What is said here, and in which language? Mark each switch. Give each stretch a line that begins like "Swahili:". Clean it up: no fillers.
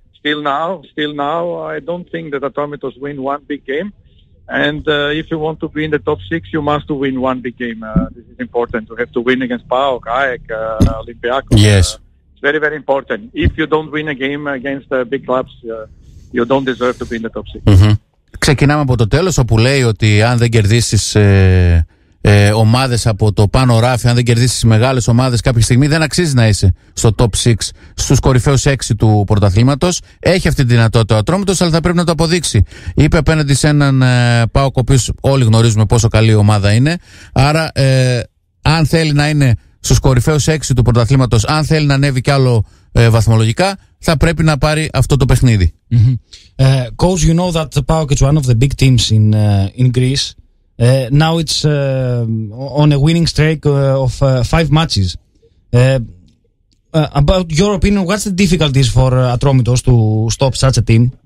English: Still now, I don't think that Ατρόμητος win one big game. And if you want to be in the top six, you must win one big game. This is important. You have to win against ΠΑΟΚ, ΑΕΚ, Olympiacos. Yes. Very, very important. If you don't win a game against big clubs, you don't deserve to be in the top six. Mm-hmm.
Greek: Ξεκινάμε από το τέλος, όπου λέει ότι αν δεν κερδίσεις ομάδες από το πάνω ράφι, αν δεν κερδίσεις μεγάλες ομάδες κάποια στιγμή, δεν αξίζει να είσαι στο top 6, στους κορυφαίους 6 του πρωταθλήματος. Έχει αυτή τη δυνατότητα ο Ατρόμητος, αλλά θα πρέπει να το αποδείξει. Είπε απέναντι σε έναν ΠΑΟΚ, ο οποίος όλοι γνωρίζουμε πόσο καλή ομάδα είναι. Άρα, αν θέλει να είναι στους κορυφαίους 6 του πρωταθλήματος, αν θέλει να ανέβει κι άλλο βαθμολογικά, θα πρέπει να πάρει αυτό το παιχνίδι. Mm-hmm.
English: Coach, you know that the ΠΑΟΚ is one of the big teams in Greece. Now it's on a winning streak of 5 matches. About your opinion, what's the difficulties for Ατρόμητος to stop such a team?